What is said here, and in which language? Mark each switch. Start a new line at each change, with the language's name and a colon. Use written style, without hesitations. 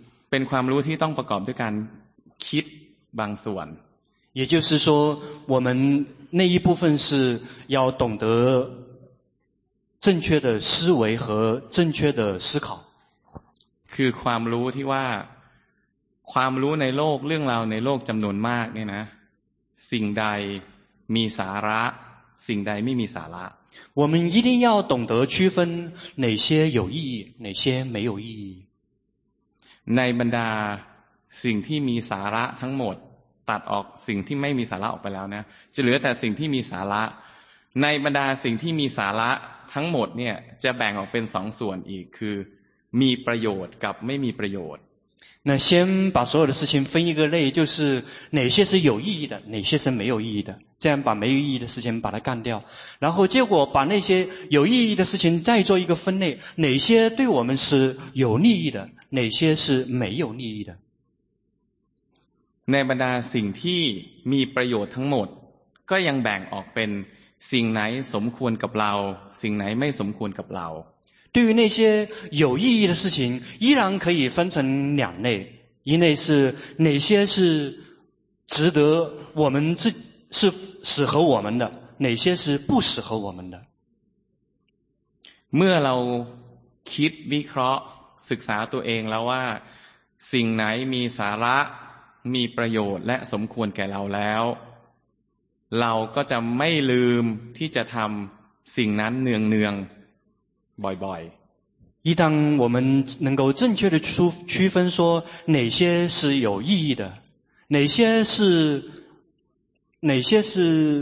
Thai: เป็นความรู้ที่ต้องประกอบด้วยการคิดบางส่วน
Chinese: 也就是说我们那一部分是要懂得正确的思维和正确的思考
Thai: คือความรู้ที่ว่าความรู้ในโลกเรื่องราวในโลกจำนวนมากเนี่ยนะสิ่งใดมีสาระสิ่งใดไม่มีสาระ
Chinese: 我们一定要懂得区分哪些有意义哪些没有意义
Thai: ในบรรดาสิ่งที่มีสาระทั้งหมดตัดออกสิ่งที่ไม่มีสาระออกไปแล้วนะจะเหลือแต่สิ่งที่มีสาระในบรรดาสิ่งที่มีสาระทั้งหมดเนี่ยจะแบ่งออกเป็นสองส่วนอีกคือมีประโยชน์กับไม่มีประโยชน์
Chinese: 那先把所有的事情分一个类就是哪些是有意义的哪些是没有意义的这样把没有意义的事情把它干掉然后结果把那些有意义的事情再做一个分类哪些对我们是有利益的哪些是没有利益的
Thai: ในบรรดาสิ่งที่มีประโยชน์ทั้งหมดก็ยังแบ่งออกเป็นสิ่งไหนสมควรกับเราสิ่งไหนไม่สมควรกับเรา
Chinese: 对于那些有意义的事情依然可以分成两类一类是哪些是值得我们自是适合我们的哪些是不适合我们的
Thai: เมื่อเราคิดวิเคราะห์ศึกษาตัวเองแล้วว่าสิ่งไหนมีสาระมีประโยชน์และสมควรแก่เราแล้วเราก็จะไม่ลืมที่จะทำสิ่งนั้นเนืองBoy.
Chinese: 一旦我们能够正确的区分说哪些是有意义的哪些是有意义的